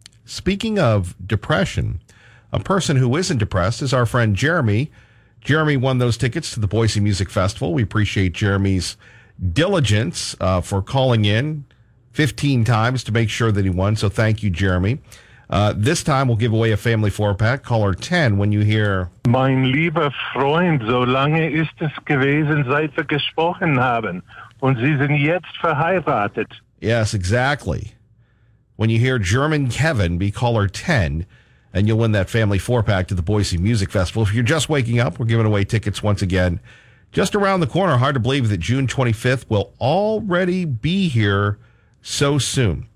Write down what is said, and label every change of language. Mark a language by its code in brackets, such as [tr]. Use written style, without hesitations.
[en] Speaking of depression, a person who isn't depressed is our friend Jeremy. Jeremy won those tickets to the Boise Music Festival. We appreciate Jeremy's diligence for calling in 15 times to make sure that he won. So thank you, Jeremy. This time we'll give away a family four-pack. Caller 10 when you hear... [de] Mein lieber Freund, so lange ist es gewesen, seit wir gesprochen haben. Und Sie sind jetzt verheiratet. [en] Yes, exactly. When you hear German Kevin, be caller 10, and you'll win that family four-pack to the Boise Music Festival. If you're just waking up, we're giving away tickets once again. Just around the corner, hard to believe that June 25th will already be here so soon.